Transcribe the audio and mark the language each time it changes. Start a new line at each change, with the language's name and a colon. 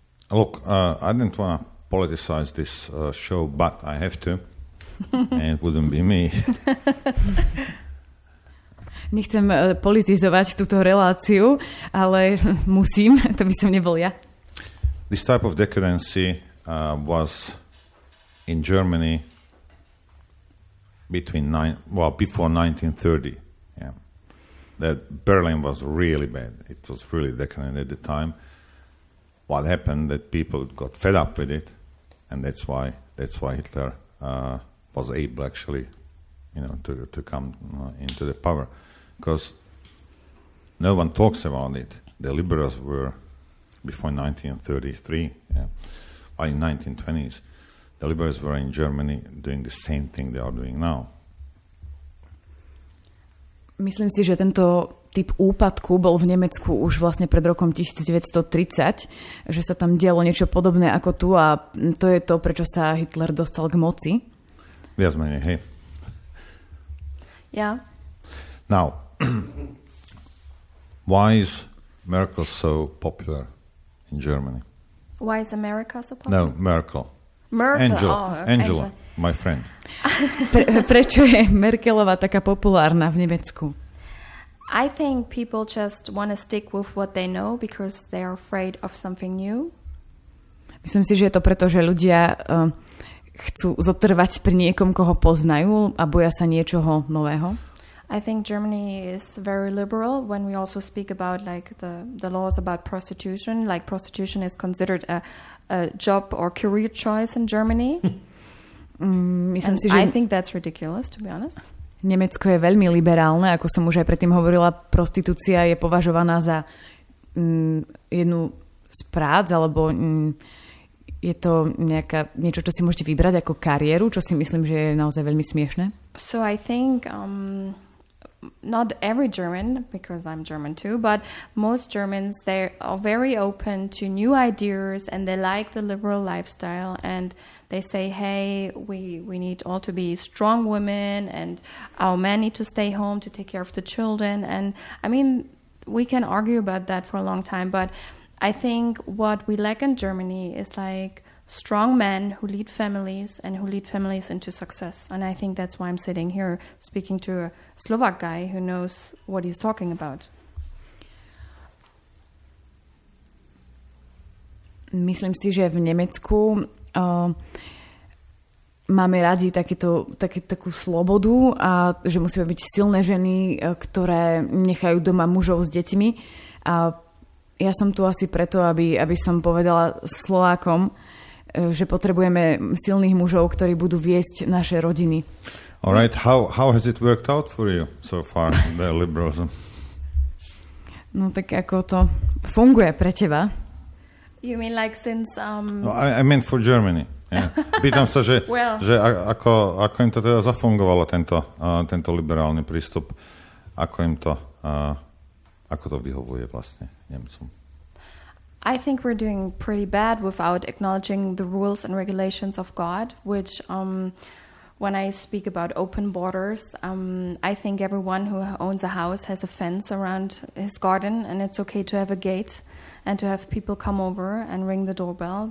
English: Look, I didn't want to politicize this show, but I have to. And it wouldn't be me.
Slovak: Nechcem politizovať túto reláciu, ale musím, to by som nebol ja.
English: This type of decadency was in Germany before 1930. Yeah, that Berlin was really bad. It was really decadent at the time. What happened, that people got fed up with it, and that's why Hitler was able, actually, you know, to come into the power, because no one talks about it. The liberals were before 1933, yeah, by 1920s. The liberals were in Germany doing the same thing they are doing now.
Slovak: Myslím si, že tento typ úpadku bol v Nemecku už vlastne pred rokom 1930, že sa tam dialo niečo podobné ako tu, a to je to, prečo sa Hitler dostal k moci. Viac menej, hej.
English: Yeah. Now, why is Merkel so popular in Germany? Why is America so popular? No, Merkel. Merkel. Angela. Oh, Angela, Angela, my friend.
Slovak: Prečo je Merkelová taká populárna v Nemecku?
English: I think people just want to stick with what they know because they are afraid of something new.
Slovak: Myslím si, že je to preto, že ľudia chcú zotrvať pri niekom, koho poznajú a boja sa niečoho nového.
English: I think Germany is very liberal when we also speak about like the laws about prostitution. Like prostitution is considered a job or career choice in Germany.
Slovak: Myslím
English: And
Slovak: si, že...
English: I think that's ridiculous, to be honest.
Slovak: Nemecko je veľmi liberálne, ako som už aj predtým hovorila, prostitúcia je považovaná za jednu z prác, alebo je to nejaká, niečo, čo si môžete vybrať ako kariéru, čo si myslím, že je naozaj veľmi smiešné.
English: So I think not every German, because I'm German too, but most Germans, they are very open to new ideas and they like the liberal lifestyle and they say, hey, we need all to be strong women and our men need to stay home to take care of the children. And I mean, we can argue about that for a long time, but I think what we lack in Germany is like strong men who lead families and who lead families into success. And I think that's why I'm sitting here speaking to a Slovak guy who knows what he's talking about.
Slovak: Myslím si, že v Nemecku máme radi takú slobodu a že musíme byť silné ženy, ktoré nechajú doma mužov s deťmi. A ja som tu asi preto, aby som povedala Slovákom, že potrebujeme silných mužov, ktorí budú viesť naše rodiny.
English: All right, how has it worked out for you so far, the liberalism?
Slovak: No tak ako to funguje pre teba?
English: You mean like since No, I meant for Germany. Yeah.
Slovak: Pýtam sa, že, well, že ako im to teda zafungovalo tento liberálny prístup, ako im to ako to vyhovuje vlastne Nemcom.
English: I think we're doing pretty bad without acknowledging the rules and regulations of God, which when I speak about open borders, I think everyone who owns a house has a fence around his garden and it's okay to have a gate and to have people come over and ring the doorbell.